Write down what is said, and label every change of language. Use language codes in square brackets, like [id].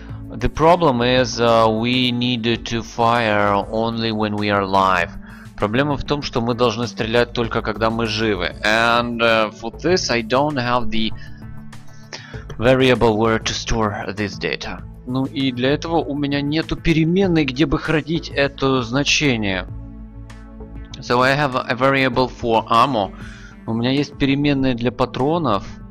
[en] The problem is we need to fire only when we are alive. [ru] Проблема в том, что мы должны стрелять только когда мы живы. [en] And for this I don't have the variable where to store this data. [ru] Ну и для этого у меня нету переменной, где бы хранить это значение. [en] So I have a variable for ammo. [ru] У меня есть переменная для патронов.